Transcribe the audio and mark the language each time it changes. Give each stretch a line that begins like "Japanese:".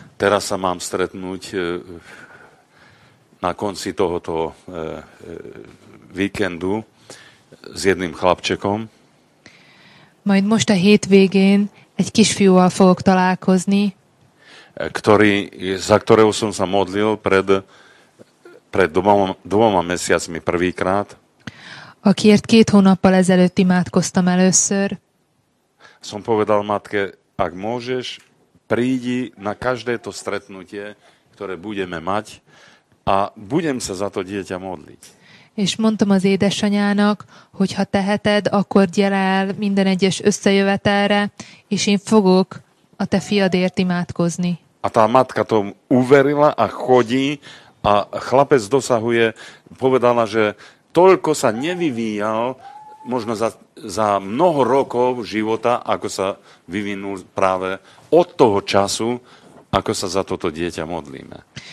Slovak: Teraz sa mám stretnúť na konci tohoto víkendu s jedným chlapčekom.
Hungarian: Majd most a hétvégén egy kisfiúval fogok találkozni.
Slovak: ktorý, za ktorého som sa modlil pred dvoma mesiacmi prvýkrát.
Hungarian: Akiért két hónappal ezelőtt imádkoztam először.
Slovak: Som povedal matke, ak môžeš, prídi na každé to stretnutie, ktoré budeme mať a budem sa za to dieťa modliť.
Hungarian: És mondtam az édesanyának, hogy ha teheted, akkor gyere el minden egyes összejövetelre, és én fogok a te fiadért imádkozni.
Slovak: A tá matka tomu uverila a chodí a chlapec dosahuje, povedala, že toľko sa nevyvíjal možno za mnoho rokov života, ako sa vyvinul práve od toho času, ako sa za toto dieťa modlíme.